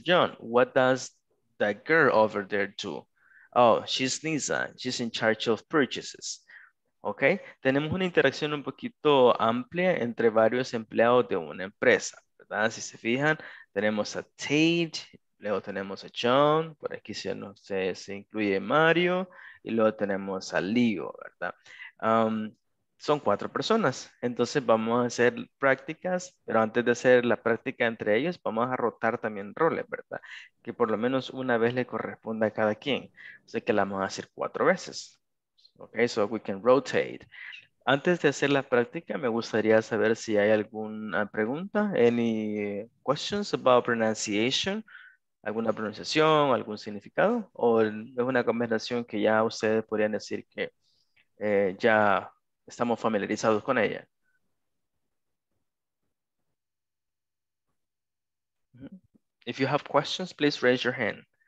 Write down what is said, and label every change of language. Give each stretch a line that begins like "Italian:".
English: John, what does that girl over there too. Oh, she's Lisa. She's in charge of purchases. Okay.
Spanish: Tenemos una interacción un poquito amplia entre varios empleados de una empresa, ¿verdad? Si se fijan, tenemos a Tate, luego tenemos a John, por aquí si no sé, se incluye Mario, y luego tenemos a Leo, ¿verdad? Son cuatro personas. Entonces vamos a hacer prácticas, pero antes de hacer la práctica entre ellos, vamos a rotar también roles, ¿verdad? Que por lo menos una vez le corresponda a cada quien. Así que la vamos a hacer cuatro veces.
English: Ok, so we can rotate.
Spanish: Antes de hacer la práctica, me gustaría saber si hay alguna pregunta.
English: Any questions about pronunciation?
Spanish: ¿Alguna pronunciación? ¿Algún significado? ¿O es una conversación que ya ustedes podrían decir que ya estamos familiarizados con ella?
English: If you have questions, please raise your hand.